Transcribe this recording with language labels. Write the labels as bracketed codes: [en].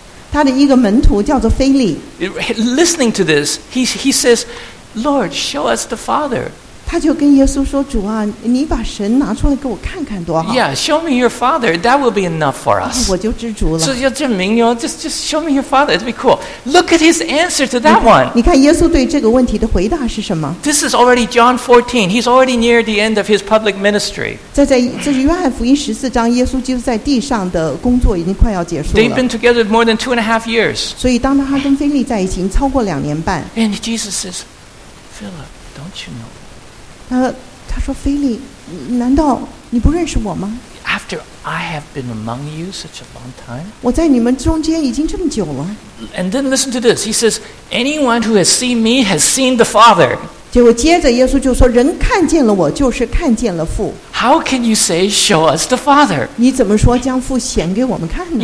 [zh] 他的一个门徒叫做腓力。 [en] Listening to this, he says. Lord, show us the Father. [zh] 他就跟耶稣说：“主啊，你把神拿出来给我看看，多好。” [en] Yeah, show me your Father. That will be enough for us. [zh] 我就知足了。所以要证明哟 [en] ，just show me your Father. It'd be cool. Look at his answer to that one. [zh] 你看耶稣对这个问题的回答是什么 [en] ？This is already John 14. He's already near the end of his public ministry. [zh] 在这是约翰福音十四章，耶稣就是在地上的工作已经快要结束了。 [en] They've been together more than 2.5 years. [zh] 所以当他跟腓力在一起超过两年半。 [en] And Jesus says. Philip, don't you know? [zh] 他说腓力，难道你不认识我吗 [en] ？After I have been among you such a long time, [zh] 我在你们中间已经这么久了。 [en] And then listen to this. He says, "Anyone who has seen me has seen the Father." [zh] 结果接着耶稣就说，人看见了我，就是看见了父。 [en] How can you say, "Show us the Father"? [zh] 你怎么说将父显给我们看呢